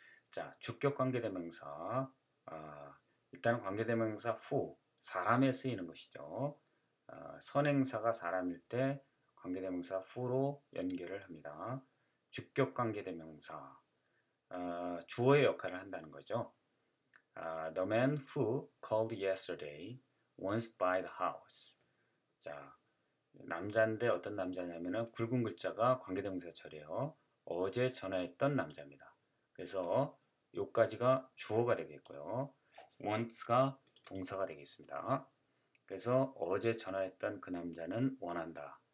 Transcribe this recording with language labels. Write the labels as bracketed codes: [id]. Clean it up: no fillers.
[ko] 자, 주격 관계대명사. 일단 관계대명사 who, 사람에 쓰이는 것이죠. 선행사가 사람일 때 관계대명사 who로 연결을 합니다. 주격 관계대명사. 주어의 역할을 한다는 거죠. [en] The man who called yesterday wants to buy the house. [ko] 자, 남자인데 어떤 남자냐면은 굵은 글자가 관계대명사 처리예요. 어제 전화했던 남자입니다. 그래서 요까지가 주어가 되겠고요. wants가 동사가 되겠습니다. 그래서 어제 전화했던 그 남자는 원한다.